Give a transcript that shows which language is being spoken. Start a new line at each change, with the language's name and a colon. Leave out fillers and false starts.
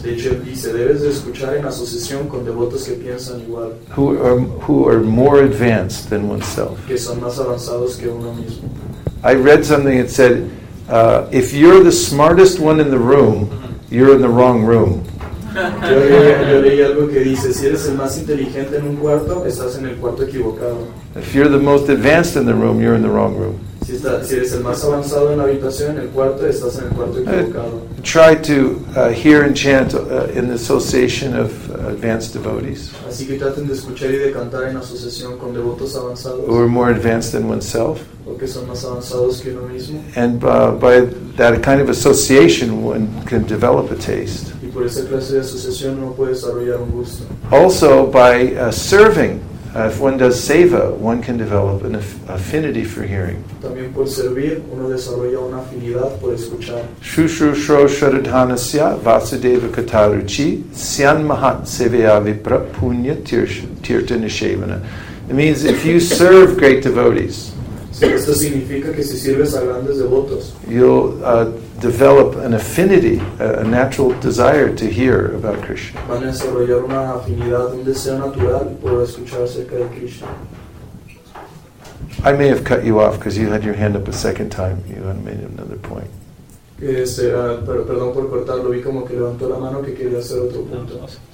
English: Who are more advanced than oneself. I read something that said, if you're the smartest one in the room, you're in the wrong room.
Spanish: Yo leí algo que dice, si eres el más inteligente en un cuarto, estás en el cuarto equivocado.
English: If you're the most advanced in the room, you're in the wrong room.
Spanish: Si eres el más avanzado en la habitación, en el cuarto, estás en el cuarto equivocado.
English: Try to hear and chant in the association of advanced devotees.
Spanish: Así que traten de escuchar y de cantar en asociación con devotos avanzados.
English: Who are more advanced than oneself.
Spanish: O que son más avanzados que uno mismo.
English: And by that kind of association, one can develop a taste.
Spanish: Por esa clase de asociación uno puede desarrollar un gusto.
English: Also by serving, if one does seva, one can develop an affinity for hearing.
Spanish: También por servir uno desarrolla una afinidad por escuchar.
Sanskrit: Shushrusho shradhanasya vasudeva kataruchi syan mahat seva vipra punya tirta nishevana.
English: It means if you serve great devotees,
Spanish: esto significa que si sirves a grandes devotos,
English: you'll develop an affinity, a natural desire to hear about Krishna.
Spanish: Van a desarrollar una afinidad, un deseo natural por escuchar acerca de Krishna.
English: I may have cut you off because you had your hand up a second time. You had made another point.
Spanish: Perdón por cortarlo. Vi como que levantó la mano que quería hacer otro punto.